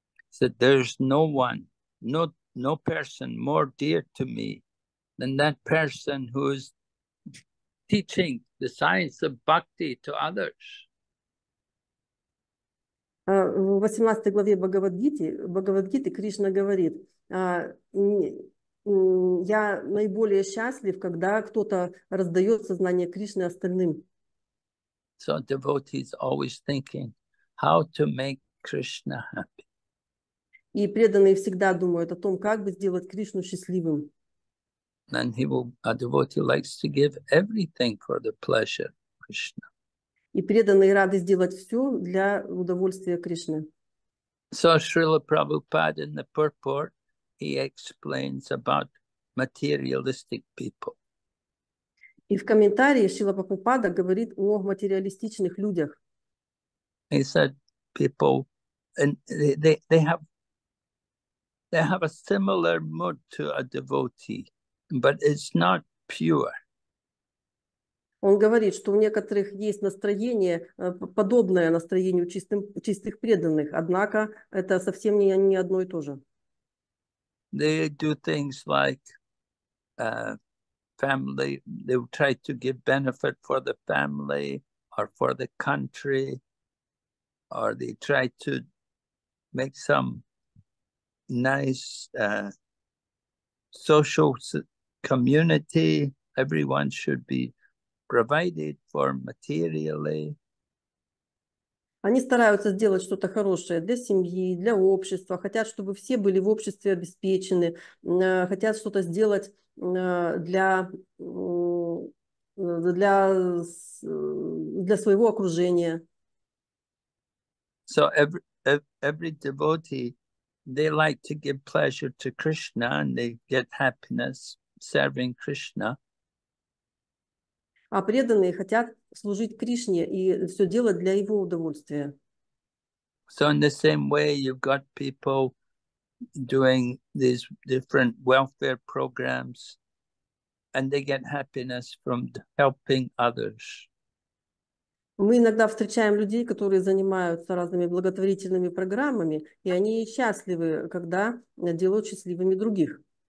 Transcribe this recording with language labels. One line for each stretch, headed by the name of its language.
English: Said, there's no one, no person more dear to me than that person who is teaching the science of bhakti to others.
Russian: В 18 главе Бхагавад-гиты Кришна говорит, я наиболее счастлив, когда кто-то раздает сознание Кришны остальным.
English: So devotees always thinking how to make Krishna happy.
Russian: И преданные всегда думают о том, как бы сделать Кришну счастливым.
English: And a devotee likes to give everything for the pleasure of Krishna.
Russian: И преданные рады сделать все для удовольствия Кришны.
English: So Srila Prabhupada in the purport, he explains about materialistic people.
Russian: И в комментарии Шрила Прабхупада говорит о материалистичных людях.
English: He said people, and they have a similar mood to a devotee, but it's not pure.
Russian: Он говорит, что у некоторых есть настроение, подобное настроению чистых преданных, однако это совсем не одно и то же.
English: They do things like family, they try to give benefit for the family or for the country, or they try to make some nice social community. Everyone should be provided for materially.
Russian: Они стараются сделать что-то хорошее для семьи, для общества, хотят, чтобы все были в обществе обеспечены, хотят что-то сделать для своего окружения.
English: So every devotee, they like to give pleasure to Krishna and they get happiness serving Krishna.
Russian: А преданные хотят служить Кришне и все делать для его удовольствия.
English: So in the same way, you've got people doing these different welfare programs and they get happiness from helping others.
Russian: Мы иногда встречаем людей, которые занимаются разными благотворительными программами, и они счастливы, когда делают счастливыми других.